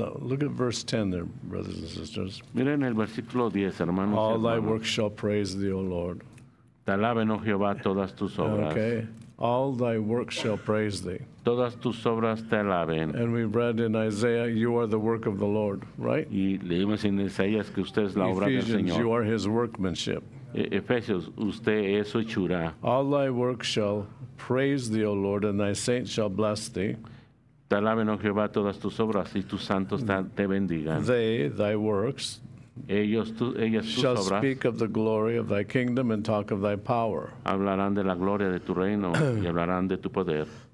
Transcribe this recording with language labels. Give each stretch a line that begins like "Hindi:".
English: Yeah, look at verse 10 there, brothers and sisters.
Spanish: Miren el versículo 10, hermanos.
English: All thy works shall praise thee, O Lord.
Spanish: Te alaben, oh Jehová, todas tus obras.
English: Okay. All thy works shall praise thee.
Spanish: Todas tus obras te alaben.
English: And we read in Isaiah, you are the work of the Lord, right?
Spanish: Y leímos en Isaías que usted es la obra del Señor.
English: You are His workmanship.
Spanish: Efesios, usted es su hechura.
English: All thy works shall praise thee, O Lord, and thy saints shall bless thee.
Spanish: Te alaben, oh Jehová, todas tus obras y tus santos te bendigan.
English: They, thy works,
Spanish: ellos, ellas, tus
English: shall
Spanish: obras,
English: speak of the glory of thy kingdom and talk of thy power.
Spanish: Hablarán de la gloria de tu reino y hablarán de tu poder.